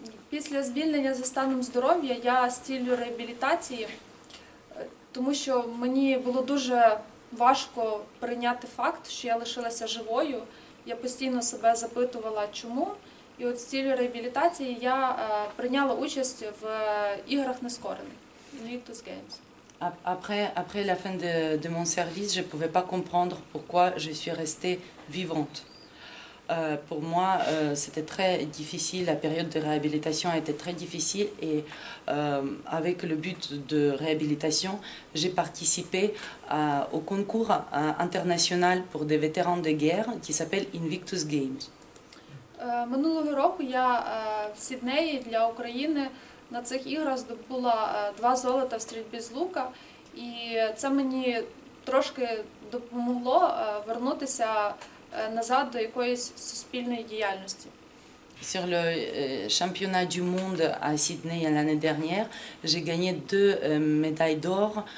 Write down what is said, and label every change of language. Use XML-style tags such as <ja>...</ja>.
<uk>після звільнення за станом здоров'я я з ціллю реабілітації, тому що мені було дуже важко прийняти факт, що я лишилася живою. Я постійно себе запитувала, чому. І от з цілею реабілітації я прийняла участь в іграх нескорених, Invictus Games.</uk> <fr>Après la fin de mon service, je ne pouvais pas comprendre pourquoi je suis restée vivante. Pour moi, c'était très difficile, la période de réhabilitation était très difficile et avec le but de réhabilitation, j'ai participé au concours international pour des vétérans de guerre qui s'appelle Invictus Games.</fr> <uk>Минулого року я в Сіднеї для України на цих іграх здобула два золота в стрільбі з лука, і це мені трошки допомогло вернутися назад до якоїсь суспільної діяльності.</uk> <fr>Sur le championnat du monde à Sydney l'année dernière, j'ai gagné deux médailles d'or.</fr>